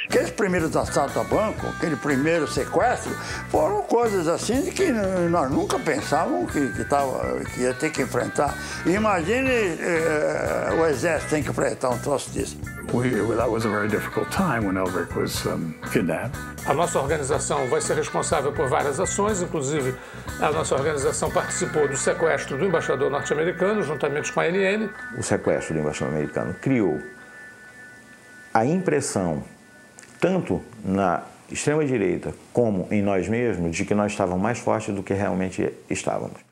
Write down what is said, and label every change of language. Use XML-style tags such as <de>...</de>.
<pt>Aqueles primeiros assaltos a banco, aquele primeiro sequestro, foram coisas assim de que nós nunca pensávamos que ia ter que enfrentar. Imagine o Exército tem que enfrentar um troço disso.</pt> <en>That was a very difficult time when Elric was kidnapped.</en> <pt>A nossa organização vai ser responsável por várias ações, inclusive a nossa organização participou do sequestro do embaixador norte-americano, juntamente com a ANN. O sequestro do embaixador americano criou a impressão, tanto na extrema-direita como em nós mesmos, de que nós estávamos mais fortes do que realmente estávamos.</pt>